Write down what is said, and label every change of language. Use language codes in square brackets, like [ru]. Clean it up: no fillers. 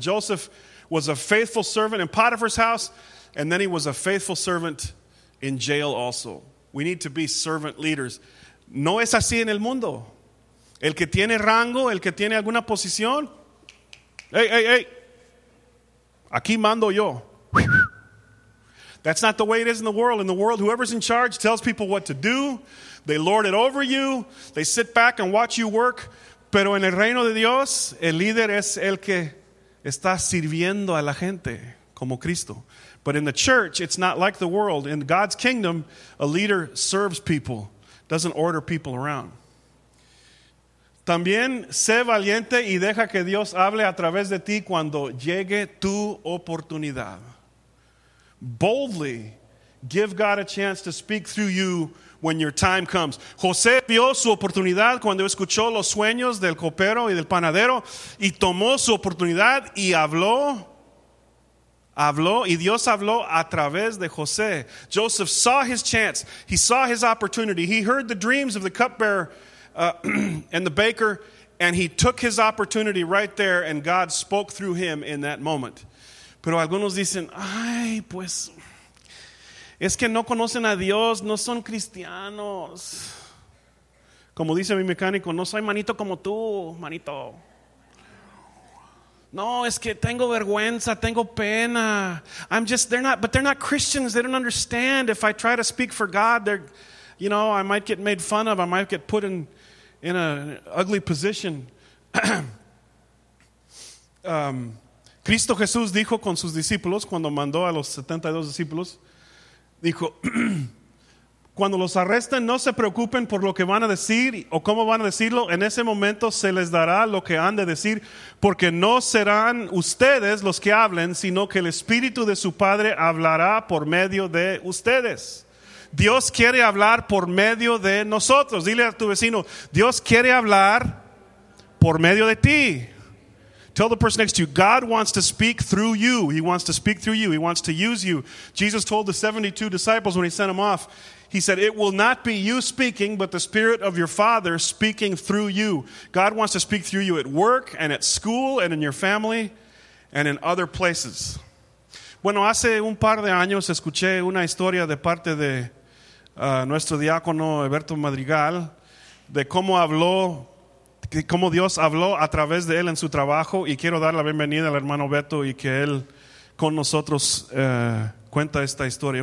[en] Joseph was a faithful servant in Potiphar's house, and then he was a faithful servant in jail also. We need to be servant leaders. [es] No es así en el mundo. El que tiene rango, el que tiene alguna posición, hey, aquí mando yo. [en] That's not the way it is in the world. In the world, whoever's in charge tells people what to do. They lord it over you. They sit back and watch you work. [es] Pero en el reino de Dios, el líder es el que está sirviendo a la gente, como Cristo. [en] But in the church, it's not like the world. In God's kingdom, a leader serves people, doesn't order people around. [es] También sé valiente y deja que Dios hable a través de ti cuando llegue tu oportunidad. [en] Boldly give God a chance to speak through you when your time comes. [es] José vio su oportunidad cuando escuchó los sueños del copero y del panadero y tomó su oportunidad y habló. Habló y Dios habló a través de José. [en] Joseph saw his chance. He saw his opportunity. He heard the dreams of the cupbearer and the baker, and he took his opportunity right there, and God spoke through him in that moment. [es] Pero algunos dicen, ay, pues, es que no conocen a Dios, no son cristianos. Como dice mi mecánico, no soy manito como tú, manito. No, es que tengo vergüenza, tengo pena. [en] They're not Christians, they don't understand. If I try to speak for God, they're, you know, I might get made fun of, I might get put in an ugly position. [es] Cristo Jesús dijo con sus discípulos, cuando mandó a los 72 discípulos, dijo, cuando los arresten, no se preocupen por lo que van a decir o cómo van a decirlo. En ese momento se les dará lo que han de decir, porque no serán ustedes los que hablen, sino que el Espíritu de su Padre hablará por medio de ustedes. Dios quiere hablar por medio de nosotros. Dile a tu vecino, Dios quiere hablar por medio de ti. [en] Tell the person next to you, God wants to speak through you. He wants to speak through you. He wants to use you. Jesus told the 72 disciples when he sent them off, he said, it will not be you speaking, but the Spirit of your Father speaking through you. God wants to speak through you at work and at school and in your family and in other places. [es] Bueno, hace un par de años escuché una historia de parte de nuestro diácono Alberto Madrigal de cómo habló, cómo Dios habló a través de él en su trabajo, y quiero dar la bienvenida al hermano Beto y que él con nosotros cuenta esta historia.